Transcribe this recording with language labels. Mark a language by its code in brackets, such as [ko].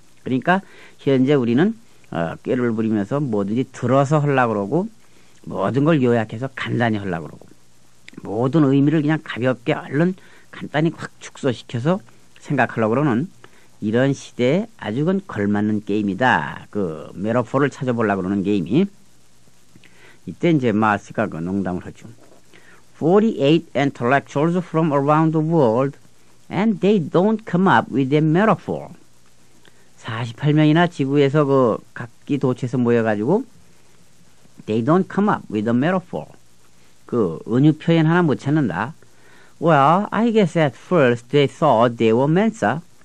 [ko] 그러니까 현재 우리는 꾀를 부리면서 뭐든지 들어서 하려고 그러고 모든 걸 요약해서 간단히 하려고 그러고 모든 의미를 그냥 가볍게 얼른 간단히 확 축소시켜서 생각하려고 그러는 이런 시대에 아주 건 걸맞는 게임이다. 그 메러포를 찾아보려고 그러는 게임이. 이때 이제 마스가 그 농담을 하죠. [en] 48 intellectuals from around the world and they don't come up with a metaphor. [ko] 48명이나 지구에서 그 각기 도처에서 모여가지고 [en] they don't come up with a metaphor. [ko] 그 은유 표현 하나 못 찾는다. [en] Well, I guess at first they thought they were Mensa.